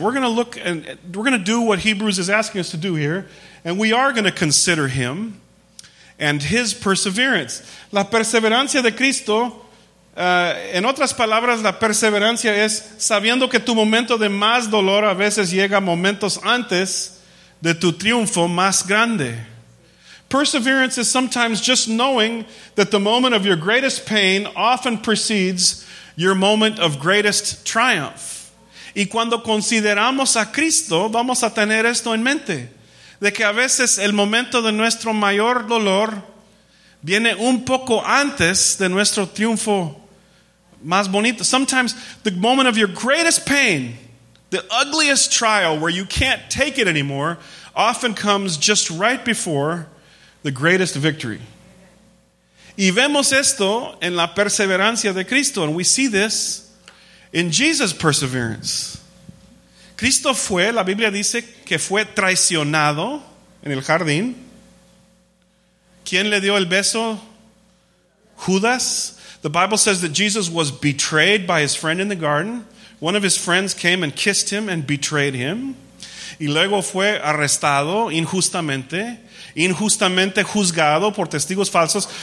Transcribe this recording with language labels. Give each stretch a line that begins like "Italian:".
English: We're going to look and we're going to do what Hebrews is asking us to do here, and we are going to consider him and his perseverance.
Spanish: La perseverancia de Cristo En otras palabras, la perseverancia es sabiendo que tu momento de más dolor a veces llega momentos antes de tu triunfo más grande.
English: Perseverance is sometimes just knowing that the moment of your greatest pain often precedes your moment of greatest triumph.
Spanish: Y cuando consideramos a Cristo, vamos a tener esto en mente, de que a veces el momento de nuestro mayor dolor viene un poco antes de nuestro triunfo más bonito.
English: Sometimes the moment of your greatest pain, the ugliest trial where you can't take it anymore, often comes just right before the greatest victory.
Spanish: Y vemos esto en la perseverancia de Cristo,
English: and we see this in Jesus' perseverance.
Spanish: Cristo fue, la Biblia dice, que fue traicionado en el jardín. ¿Quién le dio el beso? Judas.
English: The Bible says that Jesus was betrayed by his friend in the garden. One of his friends came and kissed him and betrayed him.
Spanish: Y luego fue arrestado injustamente, injustamente juzgado por testigos falsos.